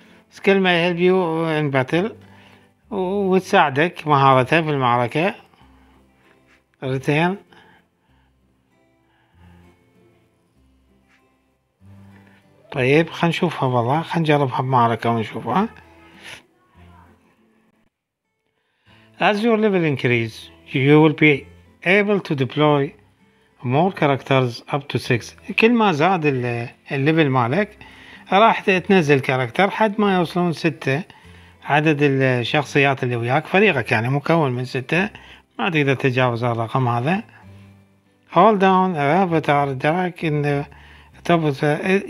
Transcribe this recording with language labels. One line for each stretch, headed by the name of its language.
Arabic: سكلمة هالبيو إن باتل وتساعدك مهارتها في المعركة. رتين طيب خلينا نشوفها والله، خلينا نجربها بمعركة ونشوفها.
English: As your level increase, you will be able to deploy more characters up to 6.
Arabic: كل ما زاد الليفل مالك راح تنزل كاركتر حد ما يوصلون 6 عدد الشخصيات اللي وياك. فريقك يعني مكون من 6، ما تقدر تتجاوز الرقم هذا.
English: Hold down avatar drag in the top of the...